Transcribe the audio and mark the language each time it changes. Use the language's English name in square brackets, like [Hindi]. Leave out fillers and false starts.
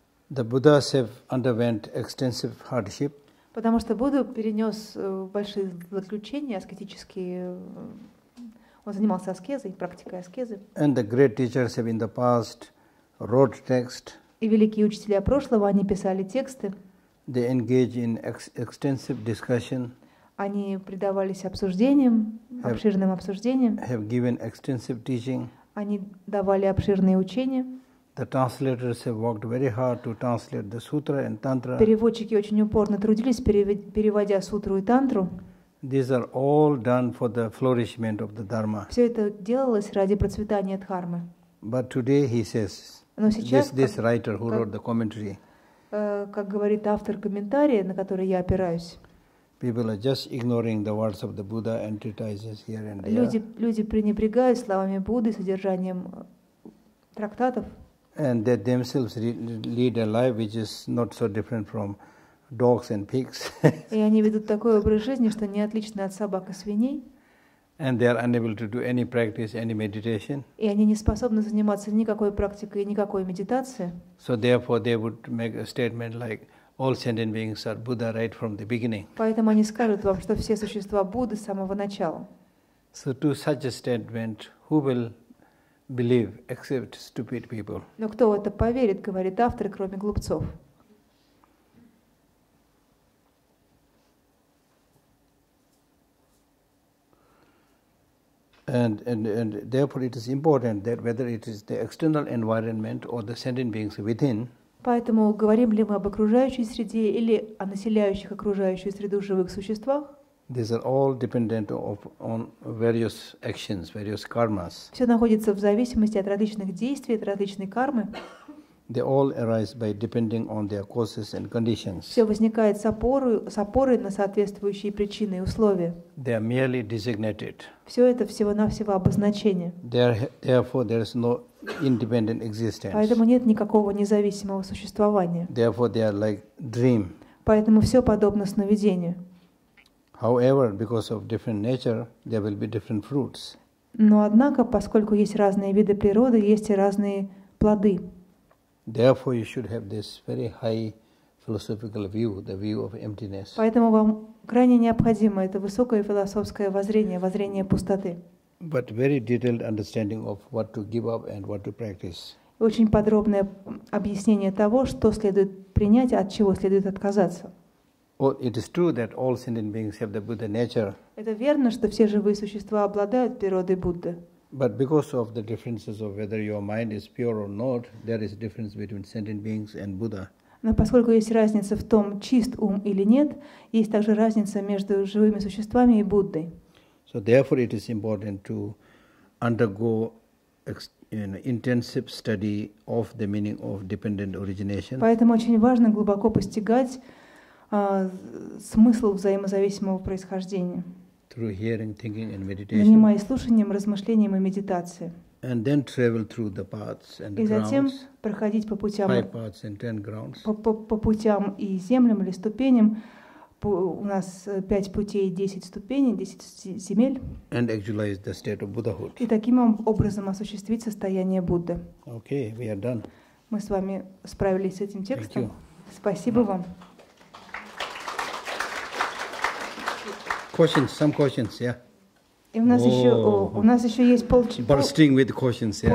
[English] The Buddhas have underwent extensive hardship. [Russian] Потому что Будда перенес большие заключения аскетические. Он занимался аскезой, практикой аскезы. [English] And the great teachers have in the past wrote text. [Russian] И великие учителя прошлого, они писали тексты. [English] They engage in extensive discussion. [Russian] Они предавались обсуждениям, обширным обсуждениям. [English] Have given extensive teaching. [Russian] Они давали обширные учения. [English] The translators have worked very hard to translate the sutra and tantra. [Russian] Переводчики очень упорно трудились, переводя сутру и тантру. [English] These are all done for the flourishment of the dharma. [Russian] Все это делалось ради процветания дхармы. [English] But today he says, this writer who wrote the commentary. [Russian] Как говорит автор комментария, на который я опираюсь. [English] People are just ignoring the words of the Buddha and treatises here and there. [Russian] Люди пренебрегают словами Будды, содержанием трактатов. [English] And they themselves lead a life which is not so different from dogs and pigs. [Russian] И они ведут такой образ жизни, что не отличный от собак и свиней. [English] And they are unable to do any practice, any meditation. [Russian] И они не способны заниматься никакой практикой, никакой медитацией. [English] So therefore, they would make a statement like, "All sentient beings are Buddha right from the beginning." [Russian] Поэтому они скажут вам, что все существа Будды с самого начала. [English] So to such a statement, who will believe except stupid people? [Russian] Но кто в это поверит, говорит автор, кроме глупцов? [English] And therefore it is important that whether it is the external environment or the sentient beings within. [Russian] Поэтому говорим ли мы об окружающей среде или о населяющих окружающую среду живых существах? [English] These are all dependent on various actions, various karmas. [Russian] Все находится в зависимости от различных действий, от различной кармы. [English] They all arise by depending on their causes and conditions. [Russian] Все возникает с опорой на соответствующие причины и условия. [English] They are merely designated. [Russian] Все это всего-навсего обозначение. [English] Therefore, there is no independent existence. [Russian] Поэтому нет никакого независимого существования. [English] Therefore, they are like dream. [Russian] Поэтому все подобно сновидению. [English] However, because of different nature, there will be different fruits. [Russian] Но однако, поскольку есть разные виды природы, есть и разные плоды. [English] Therefore, you should have this very high philosophical view, the view of emptiness. [Russian] Поэтому вам крайне необходимо это высокое философское воззрение, воззрение пустоты. [English] But very detailed understanding of what to give up and what to practice. [Russian] Очень подробное объяснение того, что следует принять, от чего следует отказаться. [English] Well, it is true that all sentient beings have the Buddha nature. [Russian] Это верно, что все живые существа обладают природой Будды. [English] But because of the differences of whether your mind is pure or not, there is a difference between sentient beings and Buddha. [Russian] Но поскольку есть разница в том, чист ум или нет, есть также разница между живыми существами и Буддой. [English] So therefore, it is important to undergo intensive study of the meaning of dependent origination. [Russian] Поэтому очень важно глубоко постигать смысл взаимозависимого происхождения. [English] Through hearing, thinking, and meditation. [Russian] Занимаясь слушанием, размышлением и медитацией. [English] And then travel through the paths and the grounds. [Russian] И затем проходить по путям. [English] Five paths and ten grounds. [Russian] По путям и землям или ступеням. У нас 5 путей, 10 ступеней, 10 земель. [English] And actualize the state of Buddhahood. [Russian] И таким образом осуществить состояние Будды. [English] Okay, we are done. [Russian] Мы с вами справились с этим текстом. [English] Thank you. [Russian] Спасибо вам. [English] Questions, some questions, yeah. [Russian] И у нас еще есть полчаса. [English] Bursting with questions, yeah.